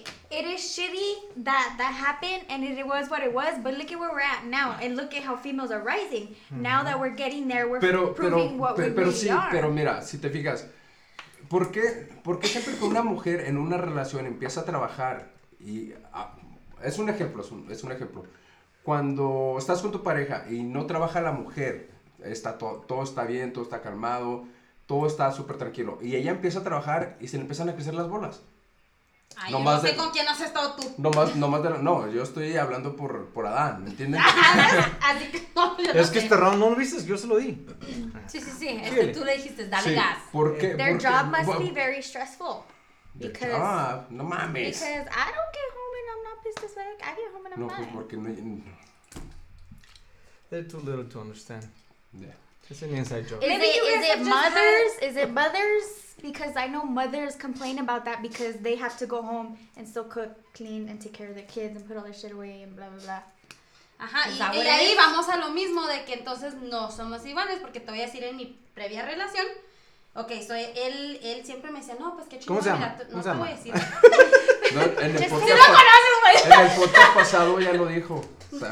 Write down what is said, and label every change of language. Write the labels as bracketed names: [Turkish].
[English] It is shitty that happened, and it was what it was, but look at where we're at now, and look at how females are rising. Mm-hmm. Now that we're getting there, we're proving what we really are. [Spanish] Pero mira, si te fijas, ¿por qué siempre que una mujer en una relación empieza a trabajar, y es un ejemplo, cuando estás con tu pareja y no trabaja la mujer, todo está bien, todo está calmado, todo está súper tranquilo, y ella empieza a trabajar y se le empiezan a crecer las bolas? Ay, no, yo no sé con quién has estado tú. No, yo estoy hablando por Adán, ¿me entiendes? Es que este round no lo viste, yo se lo di. Sí, tú le dijiste, dale sí. gas. ¿Por qué? [English] Their job must be very stressful. Because, [Spanish] job, no mames. [English] Because I don't get home and I'm not pissed as fuck. I get home and I'm fine. [Spanish] No, pues porque no... [English] They're too little to understand. Yeah. It's an inside joke. Is it mothers? Because I know mothers complain about that because they have to go home and still cook, clean, and take care of their kids and put all their shit away and blah, blah, blah. [Spanish] Ajá, y ahí vamos a lo mismo de que entonces no somos iguales, porque te voy a decir en mi previa relación. Ok, él siempre me decía, no, pues qué chingón. ¿Cómo se llama? No te voy a decir. En el podcast pasado ya lo dijo. O sea,